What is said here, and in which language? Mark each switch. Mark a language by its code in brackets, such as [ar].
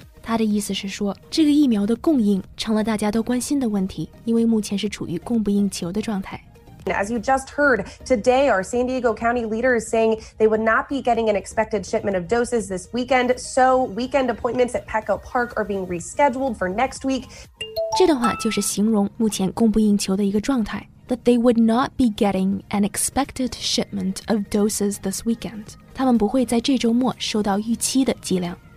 [zh] 他的意思是说这个疫苗的供应成了大家都关心的问题因为目前是处于供不应求的状态。 [en] As you just heard, today our San Diego County leader is saying they would not be getting an expected shipment of doses this weekend, so weekend appointments at Petco Park are being rescheduled for next week. [zh] 这段话就是形容目前供不应求的一个状态。 [en] That they would not be getting an expected shipment of doses this weekend. [zh] 他们不会在这周末收到预期的剂量。